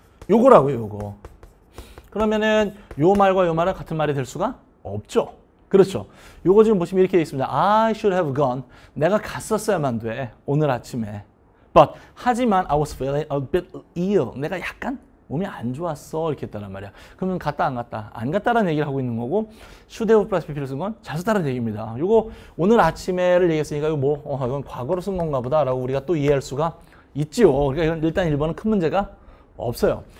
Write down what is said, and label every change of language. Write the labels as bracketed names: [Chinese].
[Korean] 요거라고요, 요거. 그러면은 요 말과 요 말은 같은 말이 될 수가 없죠. 그렇죠. 요거 지금 보시면 이렇게 돼 있습니다. [English] I should have gone. [Korean] 내가 갔었어야만 돼 오늘 아침에. [English] But [Korean] 하지만 [English] I was feeling a bit ill. [Korean] 내가 약간 몸이 안 좋았어 이렇게 했단 말이야. 그러면 갔다 안 갔다, 안 갔다라는 얘기를 하고 있는 거고, 슈데오 플러스 비피를 쓴 건 잤었다라는 얘기입니다. 이거 오늘 아침에를 얘기했으니까 이거 뭐 이건 과거로 쓴 건가 보다라고 우리가 또 이해할 수가 있지요. 그러니까 이건 일단 1번은 큰 문제가 없어요.